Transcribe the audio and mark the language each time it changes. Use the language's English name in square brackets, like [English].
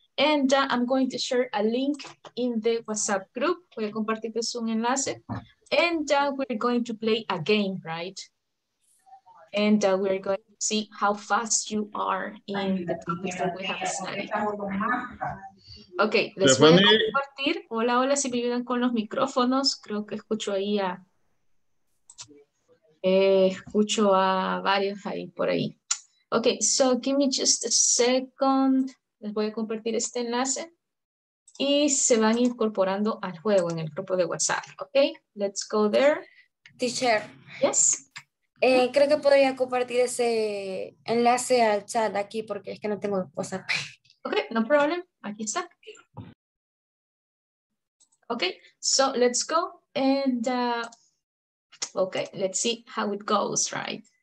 [English] And I'm going to share a link in the WhatsApp group. [Spanish] Voy a compartirles un enlace. [English] And we're going to play a game, right? And we're going to see how fast you are in the topics that we have studied. [Spanish] Ok, les voy a compartir. Hola, hola, si me ayudan con los micrófonos. Creo que escucho ahí a... escucho a varios ahí, por ahí. [English] Ok, so give me just a second. [Spanish] Les voy a compartir este enlace. Y se van incorporando al juego en el grupo de WhatsApp. [English] Ok, let's go there. Teacher. Yes. [Spanish] Creo que podría compartir ese enlace al chat aquí porque es que no tengo WhatsApp. [English] Ok, no problem. [Spanish] Aquí está. [English] Okay, so let's go and okay, let's see how it goes, right?